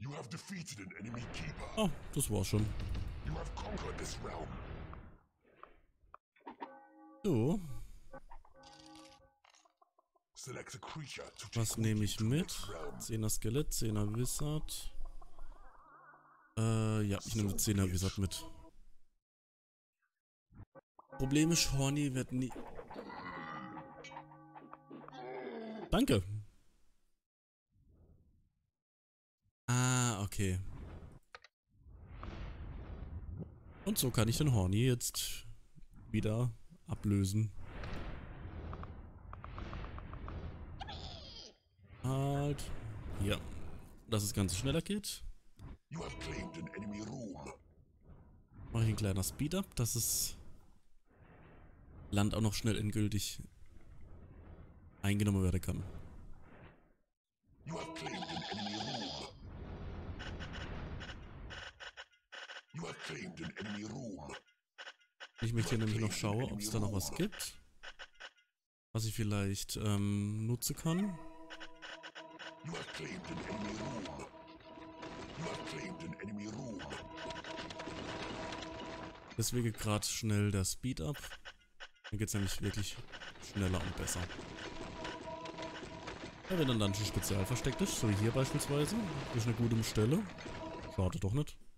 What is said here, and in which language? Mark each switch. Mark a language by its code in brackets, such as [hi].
[en] defeated an enemy keeper. [de] Oh, das war's schon. [en] You have conquered this realm. [de] So. [en] Select a creature to take. [de] Was nehme ich mit? 10er Skelett, 10er Wizard. Ja, ich nehme 10er Wizard mit. Problem ist, Horny wird nie. Danke. Ah, okay. Und so kann ich den Horny jetzt wieder ablösen. Halt. Ja. Dass das Ganze schneller geht. Mache ich ein kleiner Speed-Up, dass es Land auch noch schnell endgültig eingenommen werden kann. [en] You have claimed an enemy room. You have claimed an enemy room. [de] Ich möchte hier nämlich noch schauen, ob es da noch was gibt, was ich vielleicht nutzen kann. [en] You have claimed an enemy room. You have claimed an enemy room. [de] Deswegen gerade schnell der Speed up. Dann geht es nämlich wirklich schneller und besser. Ja, wenn dann ein Dungeon speziell versteckt ist, so wie hier beispielsweise, ist eine gute Stelle. Schade doch nicht.